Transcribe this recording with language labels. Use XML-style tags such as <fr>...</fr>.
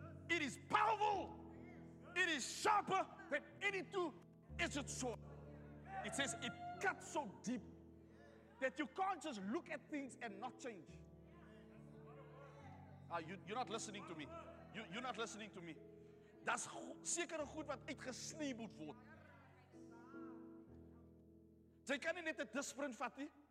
<en>It is powerful. It is sharper than any two-edged sword. It says it cuts so deep that you can't just look at things and not change. You're not listening to me. You're not listening to me.</en> <af>Das sekere goed wat uitgesny moet word. Jy kan nie net 'n disprint vat nie.</af>